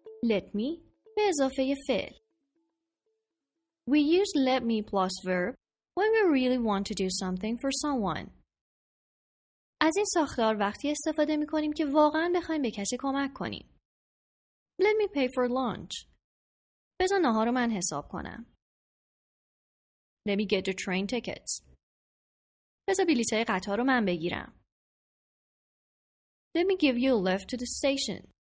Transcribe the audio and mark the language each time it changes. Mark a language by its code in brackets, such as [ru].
[fa] Let me به اضافه فعل. [en] We use let me plus verb when we really want to do something for someone. [fa] از این ساختار وقتی استفاده می کنیم که واقعا بخوایم به کسی کمک کنیم. [en] Let me pay for lunch. [fa] بذار نهار رو من حساب کنم. [en] Let me get the train tickets. [fa] بذار بلیط های قطار رو من بگیرم. [en] Let me give you a lift to the station.